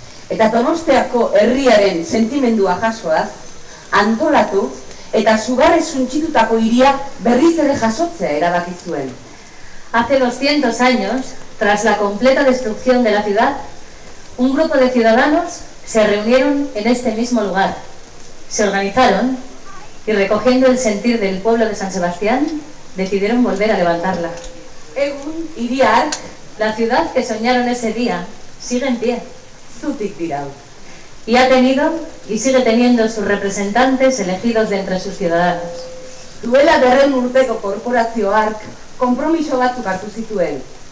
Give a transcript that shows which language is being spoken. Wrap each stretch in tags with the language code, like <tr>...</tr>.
<eu>Herriaren sentimendua jasoaz, antolatu eta zugarre suntxitutako hiria berriz ere jasotzea erabaki zuen.</eu> <es>Hace 200 años, tras la completa destrucción de la ciudad, un grupo de ciudadanos se reunieron en este mismo lugar. Se organizaron y recogiendo el sentir del pueblo de San Sebastián, decidieron volver a levantarla.</es> <eu>Egun hiriak,</eu> <es>la ciudad que soñaron ese día, sigue en pie.</es> <eu>Zutik dirau.</eu> <es>Y ha tenido y sigue teniendo sus representantes elegidos de entre sus ciudadanos.</es> <eu>Duela berren urteko korporazioak konpromiso batzuk hartu zituen.</eu>